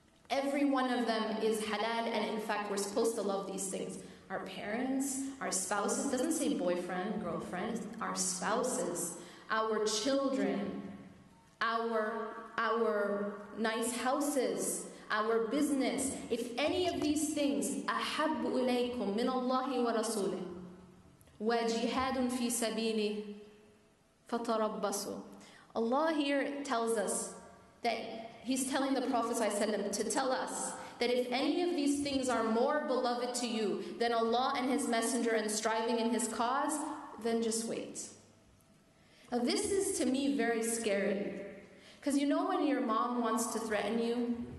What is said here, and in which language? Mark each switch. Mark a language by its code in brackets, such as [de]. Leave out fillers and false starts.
[en] Every one of them is halal, and in fact, we're supposed to love these things. Our parents, our spouses, doesn't say boyfriend, girlfriend, our spouses, our children, our nice houses, our business. If any of these things, [ar] أحب إليكم من الله ورسوله وجهاد في سبيله فتربصوا. [en] Allah here tells us that He's telling the Prophet ﷺ to tell us that if any of these things are more beloved to you than Allah and His Messenger and striving in His cause, then just wait. Now this is to me very scary. Because you know when your mom wants to threaten you?